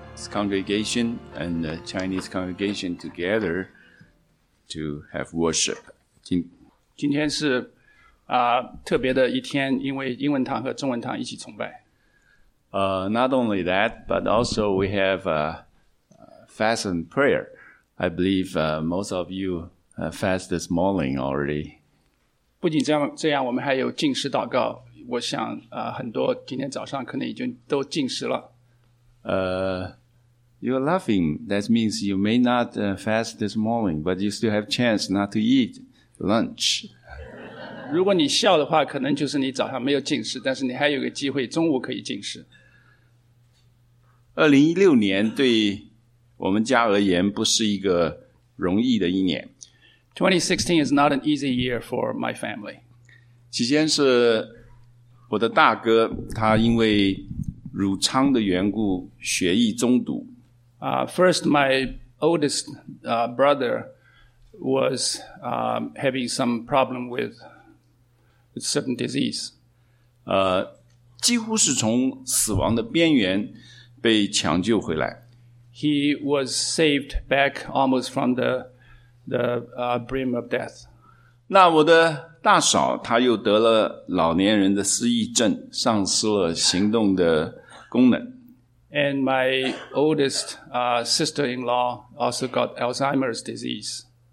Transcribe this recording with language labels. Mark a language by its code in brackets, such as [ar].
[en] Congregation and the Chinese congregation together to have worship. [zh] 今天是特别的一天，因为英文堂和中文堂一起崇拜。 [en] Not only that, but also we have fast and prayer. I believe most of you fast this morning already. [zh] 不仅这样，我们还有禁食祷告。我想很多今天早上可能已经都禁食了。 [en] You're laughing. That means you may not fast this morning, but you still have chance not to eat lunch. [zh] 如果你笑的话，可能就是你早上没有进食，但是你还有个机会，中午可以进食。 2016年对我们家而言不是一个容易的一年。 [en] 2016 is not an easy year for my family. [zh] 起先是我的大哥，他因为乳腔的缘故，血液中毒。 [en] First, my oldest brother was having some problem with certain disease. [zh] 几乎是从死亡的边缘被抢救回来。 [en] He was saved back almost from the brim of death. [zh] 那我的大嫂她又得了老年人的失忆症，丧失了行动的功能。 [en] And my oldest sister-in-law also got Alzheimer's disease.